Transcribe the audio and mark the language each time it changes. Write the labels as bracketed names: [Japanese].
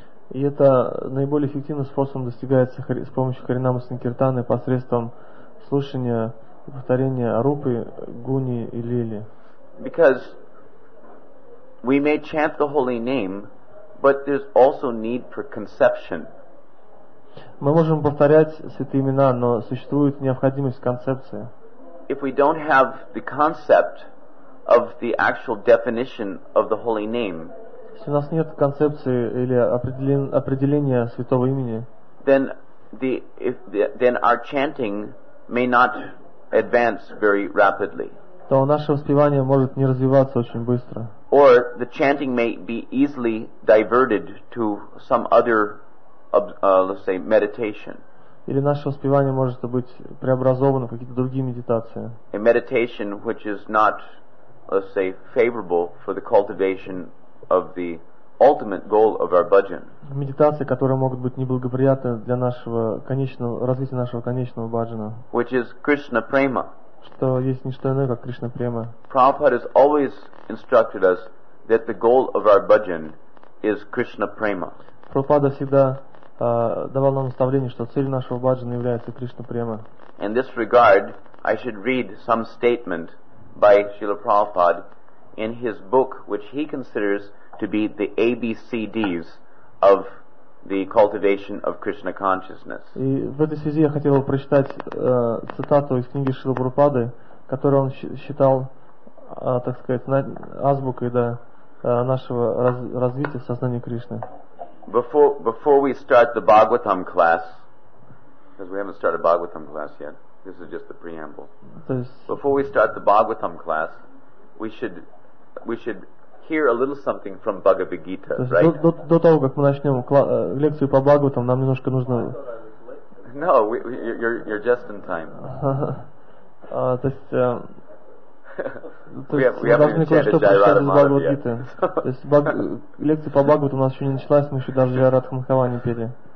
[Russian] И это наиболее эффективным способом достигается с помощью Харинама Санкиртаны посредством слушания и повторения Рупы, Гуни и Лили. [English] Because we may chant the holy name, but there's also need for conception. [Russian] Мы можем повторять святые имена, но существует необходимость в концепции. [English] If we don't have the concept of the actual definition of the holy name, [Russian] если у нас нет концепции или определения святого имени, [English] then our chanting may not advance very rapidly. [Russian] То наше воспевание может не развиваться очень быстро. [English] Or the chanting may be easily diverted to some other, let's say, meditation. [Russian] Или наше воспевание может быть преобразовано в какие-то другие медитации. [English] A meditation which is not, let's say, favorable for the cultivation of the ultimate goal of our bhajan. [Russian] Медитации, которые могут быть неблагоприятны для нашего конечного развития нашего конечного бхаджана. [English] Which is Krishna prema. [Russian] Что есть не что иное, как Кришна према. [English] Prabhupada has always instructed us that the goal of our bhajan is Krishna prema. [Russian] Prabhupada всегда давал нам наставление, что цель нашего бхаджана является Кришна према. [English] In this regard, I should read some statement by Srila Prabhupada in his book, which he considers to be the ABCDs of the cultivation of Krishna consciousness. [Russian] И в этой связи я хотел бы прочитать цитату из книги Шрила Прабхупады, которую он считал, так сказать, азбукой нашего развития в сознании Кришны. [English] Before we start the Bhagavatam class, because we haven't started Bhagavatam class yet, this is just the preamble. Before we start the Bhagavatam class, we should hear a little something from Bhagavad Gita, right? [Russian] До того, как мы начнем лекцию по Бхагаватам, нам немножко нужно... [English] No, you're just in time. [Russian] То есть, мы должны кое-что прочитать из Бхагавад Гиты. То есть, лекция по Бхагаватам у нас еще не началась, мы еще даже Радха Махава не пели.